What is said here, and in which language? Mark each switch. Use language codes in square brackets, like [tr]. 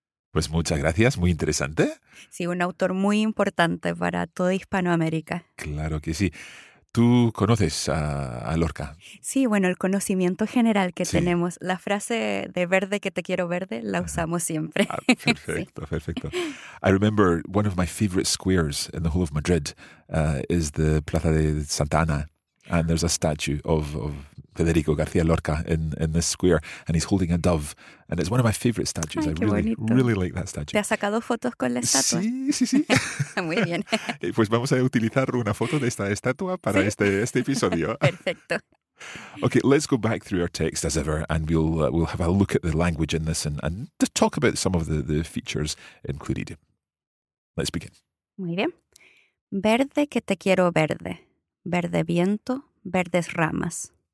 [es] Pues muchas gracias, muy interesante. Sí, un autor muy importante para toda Hispanoamérica. Claro que sí. ¿Tú conoces a Lorca? Sí, bueno, el conocimiento general que tenemos. La frase de verde que te quiero verde la usamos siempre. Ah, perfecto, sí. Perfecto. [en] I remember one of my favorite squares in the whole of Madrid is the Plaza de Santa Ana. And there's a statue of Federico García Lorca in this square, and he's holding a dove, and it's one of my favorite statues. [es] Ay, [en] I really, [es] bonito. [en] Really like that statue. [es] ¿Te has sacado fotos con la estatua? Sí, sí, sí. Muy bien. Pues vamos a utilizar una foto de esta estatua para ¿sí? este episodio. Perfecto. [en] Okay, let's go back through our text as ever, and we'll have a look at the language in this and just talk about some of the features included. Let's begin. [es] Muy bien. Verde que te quiero verde. Verde viento, verdes ramas.